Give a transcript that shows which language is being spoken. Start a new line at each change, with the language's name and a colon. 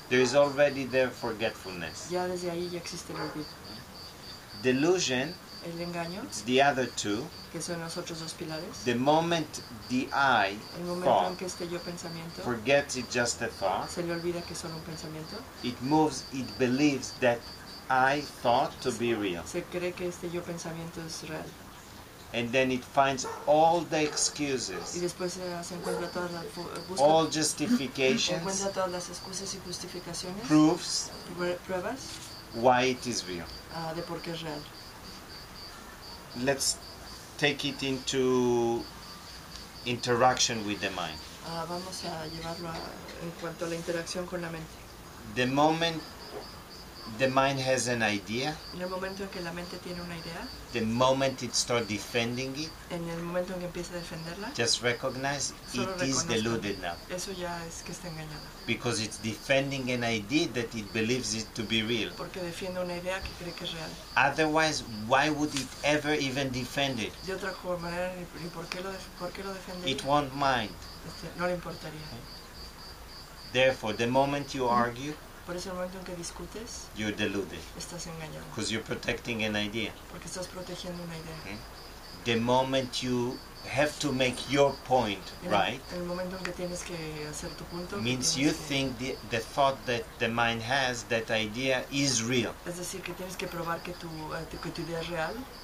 English: There is already there forgetfulness.
Spanish: Ya desde ahí ya existe el olvido.
English: Delusion.
Spanish: El engaño.
English: It's the other two.
Spanish: Que son los otros dos pilares.
English: The moment the I.
Spanish: El momento
English: thought,
Spanish: en que este yo pensamiento.
English: Forgets it's just a thought.
Spanish: Se le olvida que es solo un pensamiento.
English: It moves. It believes that I thought to be real.
Spanish: Se cree que este yo pensamiento es real.
English: And then it finds all the excuses.
Spanish: Y después se encuentra todas las
English: all justifications.
Spanish: Encuentra todas las excusas y justificaciones.
English: Proofs.
Spanish: Pruebas.
English: Why it is real.
Spanish: De por qué es real.
English: Let's take it into interaction with the mind.
Spanish: Vamos a llevarlo en cuanto a la interacción con la mente.
English: The moment the mind has an idea.
Spanish: En el momento en que la mente tiene una idea.
English: The moment it starts defending it.
Spanish: En el momento en que empieza a defenderla.
English: Just recognize it is deluded now.
Spanish: Eso ya es que está engañada.
English: Because it's defending an idea that it believes it to be real.
Spanish: Porque defiende una idea que cree que es real.
English: Otherwise, why would it ever even defend it?
Spanish: De otra manera, ¿y por qué lo defendería?
English: It won't mind.
Spanish: No le importaría.
English: Okay. Therefore, the moment you argue.
Spanish: Por ese momento en que discutes,
English: you're deluded.
Spanish: Estás engañado.
English: Because you're protecting an idea.
Spanish: Porque estás protegiendo una idea.
English: Okay. The moment you have to make your point, right?
Spanish: En el momento en que tienes que hacer tu punto,
English: means you think the thought that the mind has, that idea, is real.
Spanish: Es decir, que tienes que probar que tu idea es real.